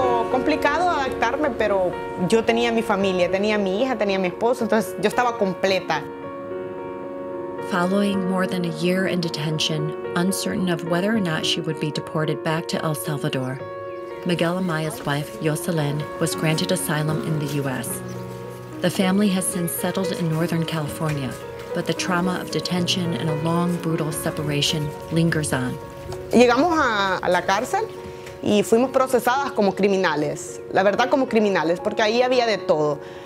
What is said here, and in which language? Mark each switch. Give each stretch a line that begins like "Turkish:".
Spanish: Complicado adaptarme, pero yo tenía mi familia, tenía mi hija, tenía mi esposo, entonces yo estaba completa.
English: Following more than a year in detention, uncertain of whether or not she would be deported back to El Salvador, Miguel Amaya's wife, Yoselin, was granted asylum in the U.S. The family has since settled in Northern California, but the trauma of detention and a long, brutal separation lingers on.
Spanish: Llegamos a la cárcel. Y fuimos procesadas como criminales, la verdad como criminales, porque ahí había de todo.